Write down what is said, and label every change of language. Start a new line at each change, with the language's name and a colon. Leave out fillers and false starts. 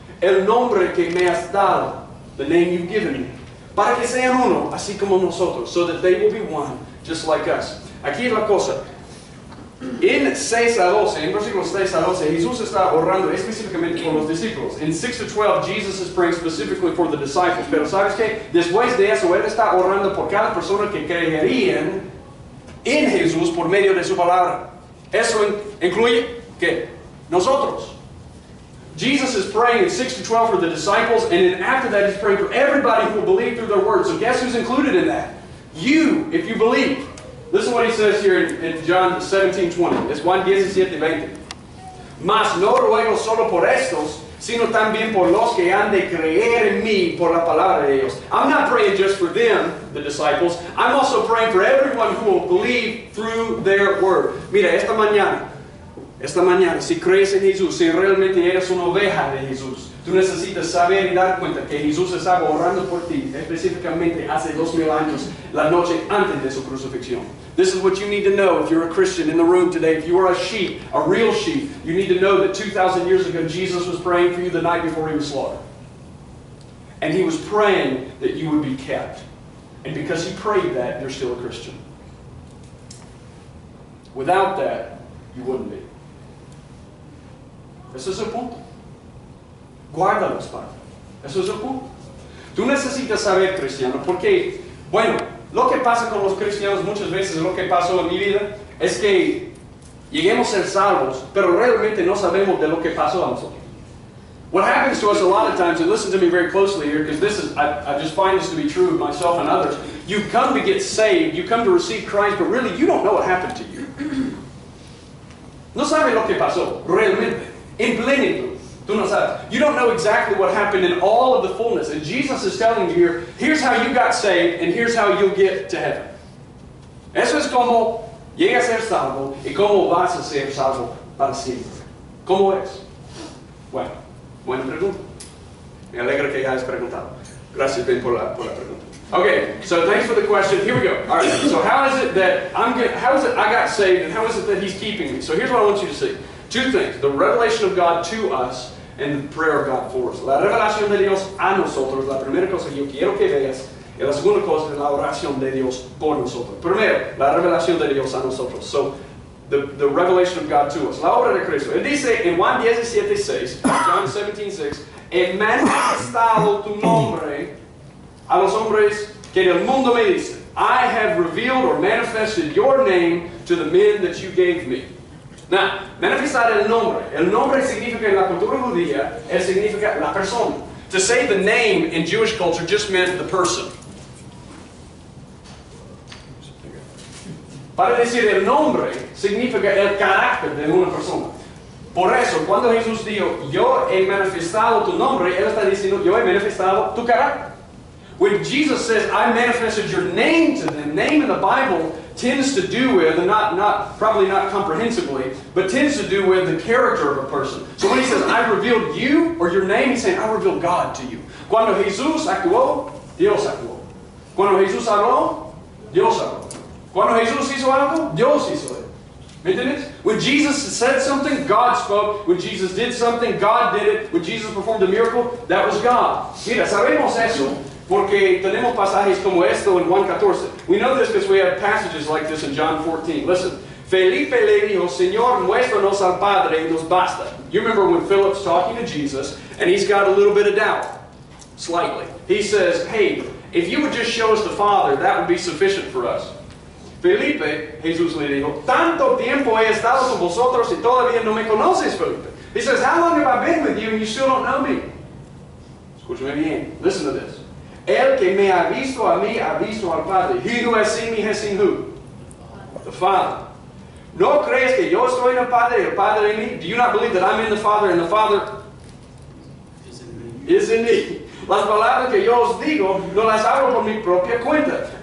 Spanish: El nombre que me has dado,
English: the name you've given me.
Spanish: Para que sean uno, así como nosotros,
English: so that they will be one, just like us.
Spanish: Aquí la cosa. In 6 a 12, in versículos 6 a 12, Jesús está orando específicamente por los discípulos.
English: In 6 to 12, Jesus is praying specifically for the disciples.
Spanish: Pero ¿sabes qué? Después de eso, Él está orando por cada persona que creerían en Jesús por medio de su palabra. Eso incluye, ¿qué? Nosotros.
English: Jesus is praying in 6 to 12 for the disciples, and then after that, He's praying for everybody who will believe through their word. So guess who's included in that? You, if you believe. Listen to what He says here in John 17:20. It's 1:17-20.
Spanish: Mas no ruego solo por estos, sino también por los que han de creer en mí por la palabra de Dios.
English: I'm not praying just for them, the disciples. I'm also praying for everyone who will believe through their word.
Spanish: Mira, esta mañana, si crees en Jesús, si realmente eres una oveja de Jesús, tú necesitas saber y dar cuenta que Jesús estaba orando por ti, específicamente hace 2,000 años, la noche antes de su crucifixión.
English: This is what you need to know if you're a Christian in the room today. If you are a sheep, a real sheep, you need to know that 2,000 years ago, Jesus was praying for you the night before He was slaughtered. And He was praying that you would be kept. And because He prayed that, you're still a Christian. Without that, you wouldn't be.
Spanish: Eso es el punto. Guárdalos, Padre. Eso es el punto. Tú necesitas saber, cristiano, porque, bueno, lo que pasa con los cristianos muchas veces, lo que pasó en mi vida, es que lleguemos a ser salvos, pero realmente no sabemos de lo que pasó a nosotros.
English: What happens to us a lot of times, and listen to me very closely here, because this is, I just find this to be true of myself and others. You come to get saved, you come to receive Christ, but really you don't know what happened to you.
Spanish: No sabes lo que pasó, realmente.
English: In plenitude.
Spanish: Tú no sabes.
English: You don't know exactly what happened in all of the fullness. And Jesus is telling you here, here's how you got saved, and here's how you'll get to heaven.
Spanish: Eso es como llegas a ser salvo, y como vas a ser salvo para siempre. ¿Cómo es? Bueno, buena pregunta. Me alegra que hayas preguntado. Gracias, Ben, por la pregunta.
English: Okay, so thanks for the question. Here we go. All right, so how is it I got saved, and how is it that He's keeping me? So here's what I want you to see. Two things, the revelation of God to us and the prayer of God for us.
Spanish: La revelación de Dios a nosotros, la primera cosa que yo quiero que veas, y la segunda cosa es la oración de Dios por nosotros. Primero, la revelación de Dios a nosotros.
English: So, the revelation of God to us.
Spanish: La obra de Cristo. Él dice en Juan 17:6, John 17:6, he manifestado tu nombre a los hombres que el mundo me dice.
English: I have revealed or manifested your name to the men that you gave me.
Spanish: Now, manifestar el nombre. El nombre significa en la cultura judía, él significa la persona.
English: To say the name in Jewish culture just meant the person.
Spanish: Para decir el nombre significa el carácter de una persona. Por eso, cuando Jesús dijo, yo he manifestado tu nombre, él está diciendo, yo he manifestado tu carácter.
English: When Jesus says, I manifested your name to them, name in the Bible tends to do with, and not probably not comprehensively, but tends to do with the character of a person. So when He says, I revealed you, or your name, He's saying, I revealed God to you.
Spanish: Cuando Jesús actuó, Dios actuó. Cuando Jesús habló, Dios habló. Cuando Jesús hizo algo, Dios hizo it. ¿Me entiendes?
English: When Jesus said something, God spoke. When Jesus did something, God did it. When Jesus performed a miracle, that was God.
Spanish: Mira, sabemos eso. Porque tenemos pasajes como esto en Juan 14.
English: We know this because we have passages like this in John 14. Listen.
Spanish: Felipe le dijo, Señor, muéstranos al Padre y nos basta.
English: You remember when Philip's talking to Jesus, and he's got a little bit of doubt. Slightly. He says, hey, if you would just show us the Father, that would be sufficient for us.
Spanish: Felipe, Jesús le dijo, tanto tiempo he estado con vosotros y todavía no me conoces, Felipe.
English: He says, how long have I been with you and you still don't know me?
Spanish: Escúchame bien.
English: Listen to this.
Spanish: El que me ha visto a mí, ha visto al Padre.
English: He who has seen me has seen who? The Father.
Spanish: ¿No crees que yo estoy en el Padre y el Padre en mí?
English: Do you not believe that I'm in the Father and the Father is in me?
Spanish: Las palabras que yo os digo, no las hablo por mi propia cuenta.